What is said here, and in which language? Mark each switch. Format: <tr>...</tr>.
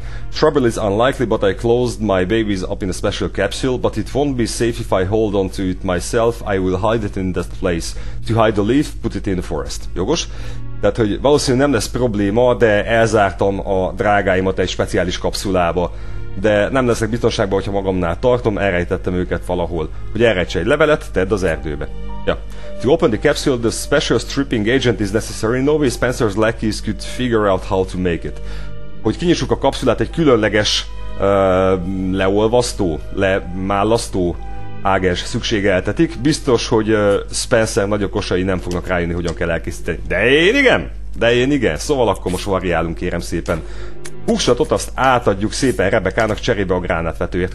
<en>Trouble is unlikely, but I closed my babies up in a special capsule, but it won't be safe if I hold on to it myself, I will hide it in that place. To hide the leaf, put it in the forest.</en> <hu>Jogos? Tehát, hogy valószínűleg nem lesz probléma, de elzártam a drágáimat egy speciális kapszulába. De nem leszek biztonságban, hogyha magamnál tartom, elrejtettem őket valahol. Hogy elrejtse egy levelet, tedd az erdőbe.</hu> <en>Ja. To open the capsule, the special stripping agent is necessary. No way Spencer's lackeys could figure out how to make it.</en> <hu>Hogy kinyissuk a kapszulát, egy különleges leolvasztó, lemálasztó ágens szükségeltetik. Biztos, hogy Spencer nagy okosai nem fognak rájönni, hogyan kell elkészíteni. De én igen. Szóval akkor most variálunk, kérem szépen. Hookshotot azt átadjuk szépen Rebekának cserébe a gránátvetőért.</hu>